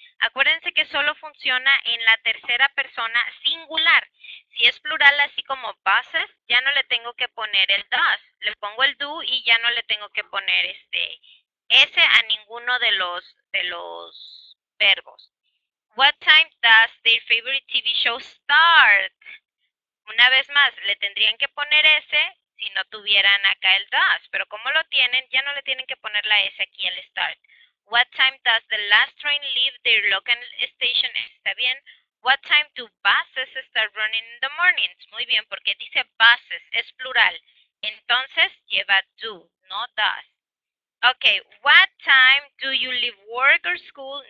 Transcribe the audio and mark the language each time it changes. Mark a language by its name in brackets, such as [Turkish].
[Spanish] Acuérdense que solo funciona en la tercera persona singular. Si es plural así como buses, ya no le tengo que poner el does. Le pongo el do y ya no le tengo que poner S a ninguno de los verbos. [English] What time does their favorite TV show start? [Spanish] Una vez más, le tendrían que poner S si no tuvieran acá el does. Pero como lo tienen, ya no le tienen que poner la S aquí al start. [English] What time does the last train leave their local station? [Spanish] Está bien. [English] What time do buses start running in the mornings? [Spanish] Muy bien, porque dice buses, es plural. Entonces, lleva do, no does. [English] Okay, what time do you leave work or school?